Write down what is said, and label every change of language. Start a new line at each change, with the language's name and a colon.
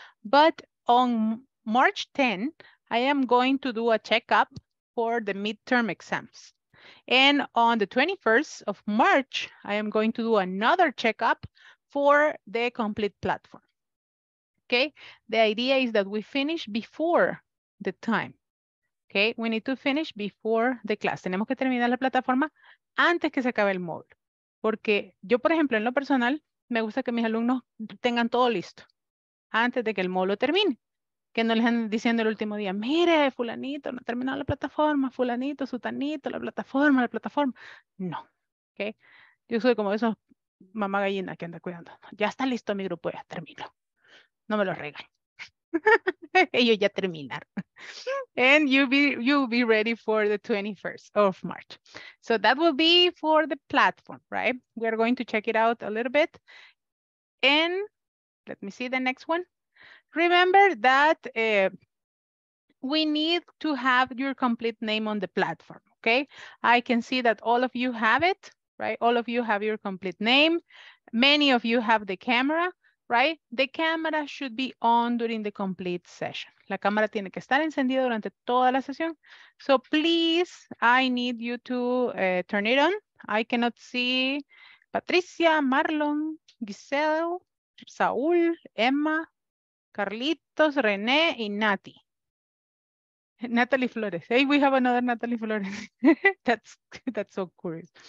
English: But on March 10, I am going to do a checkup for the midterm exams. And on the 21st of March, I am going to do another checkup for the complete platform. Okay, the idea is that we finish before the time. Okay, we need to finish before the class.
Spanish: Tenemos que terminar la plataforma antes que se acabe el módulo. Porque yo, por ejemplo, en lo personal, me gusta que mis alumnos tengan todo listo antes de que el módulo termine. Que no les anden diciendo el último día, mire, fulanito, no ha terminado la plataforma, fulanito, sutanito, la plataforma. No. Okay. Yo soy como esos mamá gallina que anda cuidando. Ya está listo mi grupo, ya termino. No me lo regalen. Ellos ya terminaron.
English: And you'll be ready for the 21st of March. So that will be for the platform, right? We are going to check it out a little bit. And let me see the next one. Remember that we need to have your complete name on the platform, okay? I can see that all of you have it, right? All of you have your complete name. Many of you have the camera. Right? The camera should be on during the complete session.
Spanish: La cámara tiene que estar encendida durante toda la sesión.
English: So please, I need you to turn it on. I cannot see Patricia, Marlon, Giselle, Saul, Emma, Carlitos, René, y Nati. Natalie Flores. Hey, we have another Natalie Flores. That's so curious.